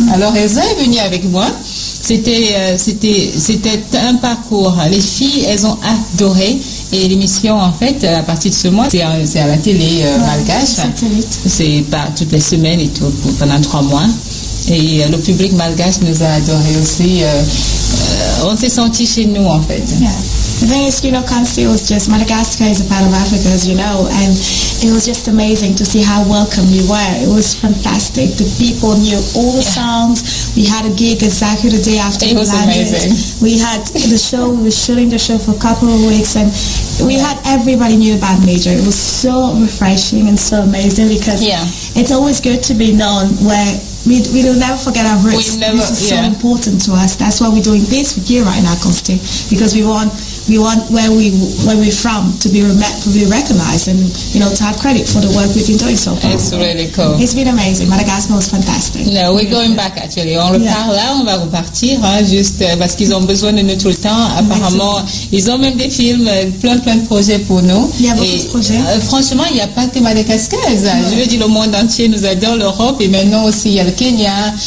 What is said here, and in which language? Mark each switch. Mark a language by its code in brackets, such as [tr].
[fr] Alors Elsa est venue avec moi. C'était un parcours. Les filles, elles ont adoré. Et l'émission, en fait, à partir de ce mois, c'est à la télé malgache. C'est pas toutes les semaines et tout, pendant 3 mois. Et le public malgache nous a adoré aussi. On s'est sentis chez nous, en fait. [en] Yeah. You know, Council is just, Madagascar is a part of Africa, as you know. And it was just amazing to see how welcome we were. It was fantastic. The people knew all the songs. We had a gig exactly the day after it we landed. It was amazing. We had the show. We were shooting the show for a couple of weeks. And we had everybody knew about Major. It was so refreshing and so amazing because it's always good to be known where we will never forget our roots. This is so important to us. That's why we're doing this with you right now, Constantine, because we want where we're from to be recognized and, you know, to have credit for the work we've been doing so far. It's really cool. It's been amazing. Madagascar was fantastic. No, we're going back, actually. [fr] On repart là, on va repartir, hein, juste parce qu'ils ont besoin de notre temps. Apparemment, ils ont même des films, plein de projets pour nous. Il y a beaucoup de projets. Franchement, il n'y a pas que Madagascar. Je veux dire, le monde entier nous adore, l'Europe, et maintenant aussi, il y a le Kenya.